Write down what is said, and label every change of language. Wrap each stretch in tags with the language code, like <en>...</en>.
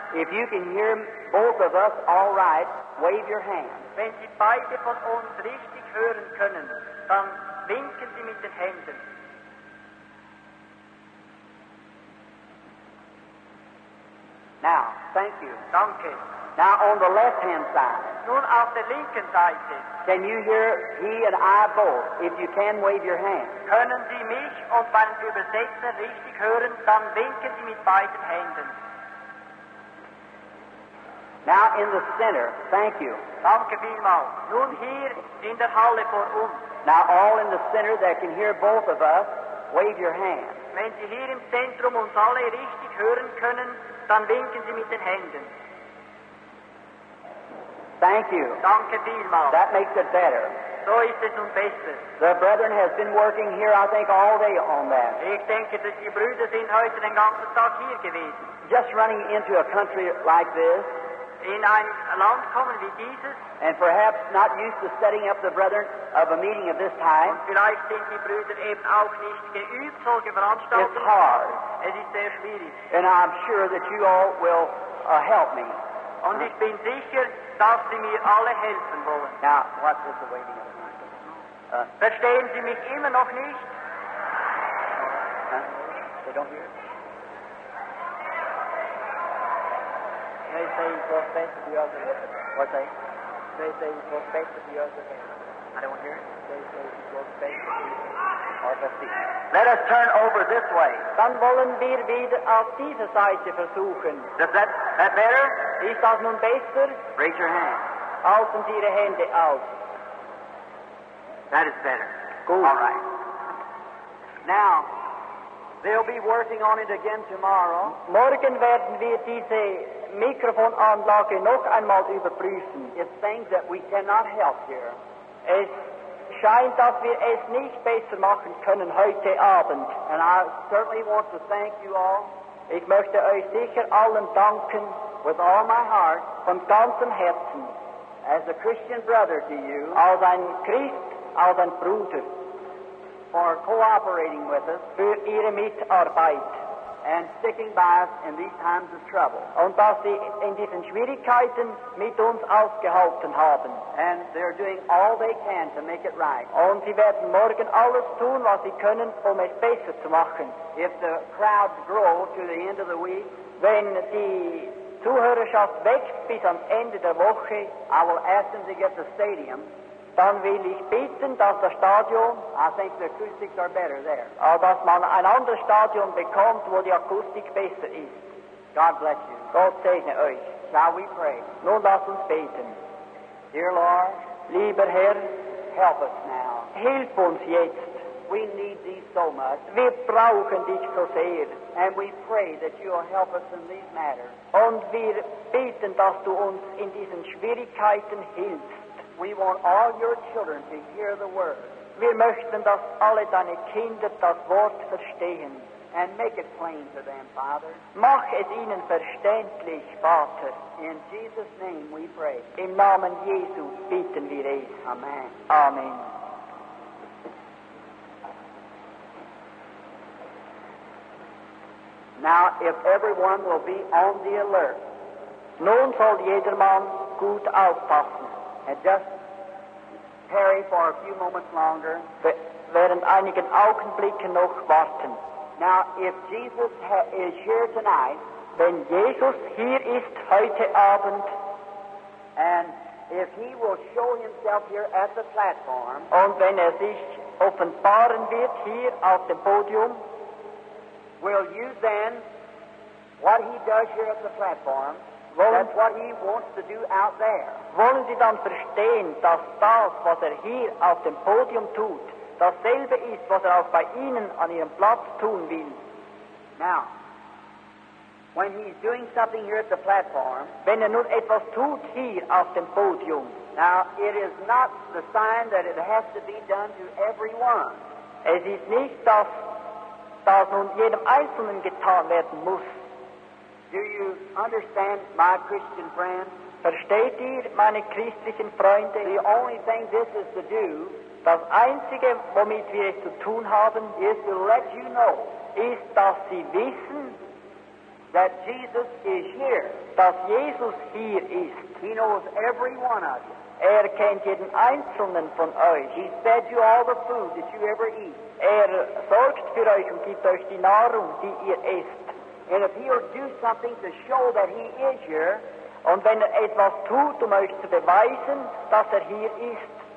<en>If you can hear both of us all right, wave your hand.</en> <de>Wenn Sie beide von uns richtig hören können, dann winken Sie mit den Händen.</de> <en>Now, thank you.</en> <de>Danke.</de> <en>Now, on the left-hand side.</en> <de>Nun auf der linken Seite.</de> <en>Can you hear he and I both? If you can, wave your hand.</en> <de>Können Sie mich und meinen Übersetzer richtig hören, dann winken Sie mit beiden Händen.</de> <en>Now in the center, thank you.</en> <de>Danke vielmals. Nun hier in der Halle vor uns.</de> <en>Now all in the center that can hear both of us, wave your hand.</en> <de>Wenn Sie hier im Zentrum uns alle richtig hören können, dann winken Sie mit den Händen.</de> <en>Thank you.</en> <de>Danke vielmals.</de> <en>That makes it better.</en> <de>So ist es nun besser.</de> <en>The brethren has been working here, I think, all day on that.</en> <de>Ich denke, dass die Brüder sind heute den ganzen Tag hier gewesen.</de> <en>Just running into a country like this.</en> <de>In ein Land kommen wie dieses.</de> <en>And perhaps not used to setting up the brethren of a meeting of this time.</en> <de>Und vielleicht sind die Brüder eben auch nicht geübt, solche Veranstaltungen.</de> <en>It's hard.</en> <de>Es ist sehr schwierig.</de> <en>And I'm sure that you all will help me.</en> <de>Und ich bin sicher, dass Sie mir alle helfen wollen.</de> <en>Now, what is the waiting of</en> <de>Verstehen Sie mich immer noch nicht?</de> <en>They don't hear it. They say you go back to the other hand. What say? They say you go back to the other hand. I don't hear it. They say you go back to the other hand. Let us turn over this way.</en> <de>Dann wollen wir wieder auf diese Seite versuchen.</de> <en>Is that, that better?</en> <de>Ist das nun besser?</de> <en>Raise your hand.</en> <de>Halten Sie Ihre Hände auf.</de> <en>That is better.</en> <de>Gut.</de> <en>All right. Now, they'll be working on it again tomorrow.</en> <de>Morgen werden wir diese Mikrofonanlage noch einmal überprüfen.</de> <en>It's things that we cannot help here.</en> <de>Es scheint, dass wir es nicht besser machen können heute Abend.</de> <en>And I certainly want to thank you all.</en> <de>Ich möchte euch sicher allen danken.</de> <en>With all my heart.</en> <de>Von ganzem Herzen.</de> <en>As a Christian brother to you.</en> <de>Als ein Christ, als ein Bruder.</de> <en>For cooperating with us.</en> <de>Für ihre Mitarbeit.</de> <en>And sticking by us in these times of trouble.</en> <de>Und dass sie in diesen Schwierigkeiten mit uns ausgehalten haben.</de> <en>And they're doing all they can to make it right.</en> <de>Und sie werden morgen alles tun, was sie können, um es besser zu machen.</de> <en>If the crowds grow to the end of the week.</en> <de>Wenn die Zuhörerschaft wächst bis am Ende der Woche.</de> <en>I will ask them to get the stadium.</en> <de>Dann will ich bitten, dass das Stadion,</de> <en>I think the acoustics are better there.</en> <de>Dass man ein anderes Stadion bekommt, wo die Akustik besser ist.</de> <en>God bless you.</en> <de>Gott segne euch.</de> <en>Shall we pray?</en> <de>Nun lasst uns beten.</de> <en>Dear Lord,</en> <de>lieber Herr,</de> <en>help us now.</en> <de>Hilf uns jetzt.</de> <en>We need thee so much.</en> <de>Wir brauchen dich so sehr.</de> <en>And we pray that you will help us in these matters.</en> <de>Und wir beten, dass du uns in diesen Schwierigkeiten hilfst.</de> <en>We want all your children to hear the word.</en> <de>Wir möchten, dass alle deine Kinder das Wort verstehen.</de> <en>And make it plain to them, Father.</en> <de>Mach es ihnen verständlich, Vater.</de> <en>In Jesus' name we pray.</en> <de>Im Namen Jesu bitten wir es.</de> <en>Amen.</en> <de>Amen.</de> <en>Now, if everyone will be on the alert.</en> <de>Nun soll jedermann gut aufpassen.</de> <en>And just tarry for a few moments longer.</en> <de>Werden einigen Augenblicken noch warten.</de> <en>Now, if Jesus is here tonight,</en> <de>wenn Jesus hier ist heute Abend,</de> <en>and if he will show himself here at the platform,</en> <de>und wenn sich offenbaren wird hier auf dem Podium,</de> <en>will you then, what he does here at the platform,</en> <de>Wollen,</de> <en>that's what he wants to do out there.</en> <de>Wollen Sie dann verstehen, dass das, was hier auf dem Podium tut, dasselbe ist, was auch bei Ihnen an Ihrem Platz tun will?</de> <en>Now, when he's doing something here at the platform,</en> <de>wenn nun etwas tut hier auf dem Podium,</de> <en>now, it is not the sign that it has to be done to everyone.</en> <de>Es ist nicht, dass das nun jedem Einzelnen getan werden muss.</de> <en>Do you understand, my Christian friend?</en> <de>Versteht ihr, meine christlichen Freunde?</de> <en>The only thing this is to do,</en> <de>das Einzige, womit wir es zu tun haben,</de> <en>is to let you know,</en> <de>ist, dass sie wissen,</de> <en>that Jesus is here.</en> <de>Dass Jesus hier ist.</de> <en>He knows every one of you.</en> <de>Kennt jeden Einzelnen von euch.</de> <en>He fed you all the food that you ever eat.</en> <de>Sorgt für euch und gibt euch die Nahrung, die ihr esst.</de> <en>And if he'll do something to show that he is here,</en> <de>und wenn etwas tut, euch zu beweisen, dass hier ist,</de>